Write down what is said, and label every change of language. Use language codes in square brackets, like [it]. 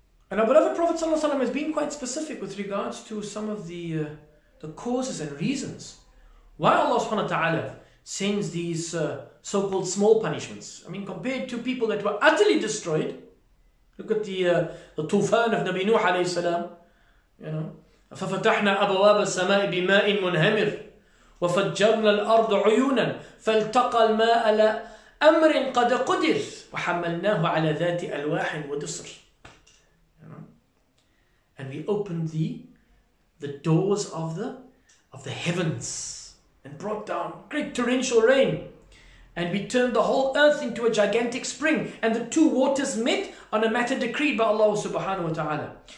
[en] And our beloved Prophet sallallahu alaihi wasallam has been quite specific with regards to some of the causes and reasons why Allah subhanahu wa ta'ala sends these so-called small punishments. I mean, compared to people that were utterly destroyed, look at the tufan of Nabi Nuh alayhi salam. You know, [ar] ففتحنا أبواب السماء بماء منهمر وفجرنا الأرض عيونا فالتقى الماء على أمر قد قدر وحملناه على ذات ألواح ودسر. [en] And we opened the doors of the heavens and brought down great torrential rain. And we turned the whole earth into a gigantic spring. And the two waters met on a matter decreed by Allah subhanahu wa ta'ala.